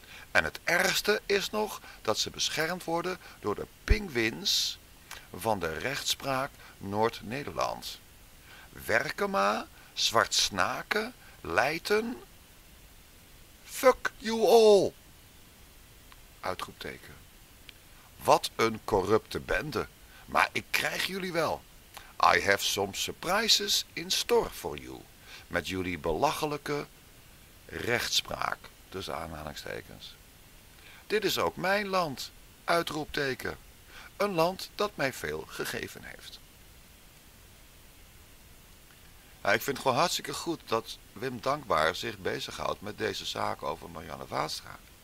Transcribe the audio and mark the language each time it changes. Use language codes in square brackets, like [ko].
[nl] En het ergste is nog dat ze beschermd worden door de pinguïns van de rechtspraak Noord-Nederland. Werkema, Zwartsnaken, Leijten. [en] Fuck you all! [nl] Uitroepteken. Wat een corrupte bende. Maar ik krijg jullie wel. [en] I have some surprises in store for you. [nl] Met jullie belachelijke rechtspraak. Tussen aanhalingstekens. Dit is ook mijn land. Uitroepteken. Een land dat mij veel gegeven heeft. Nou, ik vind het gewoon hartstikke goed dat Wim Dankbaar zich bezighoudt met deze zaak over Marianne Vaatstra.